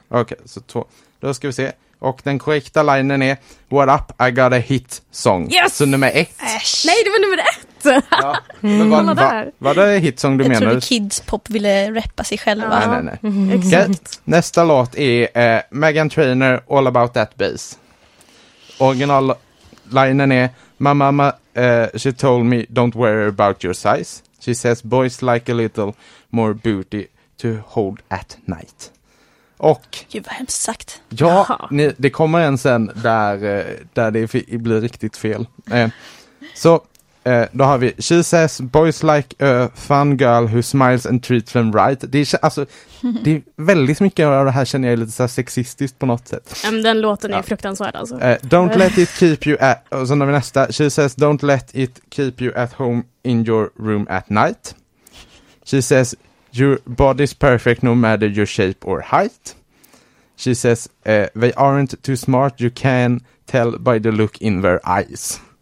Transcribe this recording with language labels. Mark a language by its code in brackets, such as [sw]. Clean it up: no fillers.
[sv] Okej, så två. Då ska vi se. Och den korrekta linjen är, [en] what up, I got a hit song. Yes! [sv] Så nummer ett. Äsch. Nej, det var nummer ett. Ja. Mm. Var det hit song du menar? Jag trodde kids pop ville rappa sig själva. Ja. Nej. Mm. Exakt. Nästa låt är Meghan Trainor, All About That Bass. Originallinen är: [en] "My mama, she told me don't worry about your size. She says boys like a little more booty to hold at night." [sv] Och, gud vad hemskt sagt. Ja, ni, det kommer en sen där det blir riktigt fel. Så då har vi: [en] "She says boys like a fun girl who smiles and treats them right." [sv] Det är väldigt mycket av det här, känner jag, lite så sexistiskt på något sätt. Den låten är fruktansvärd alltså. [en] "Don't let it keep you at..." [sv] Och sen har vi nästa: [en] "She says don't let it keep you at home in your room at night. She says your body's perfect no matter your shape or height. She says they aren't too smart, you can tell by the look in their eyes."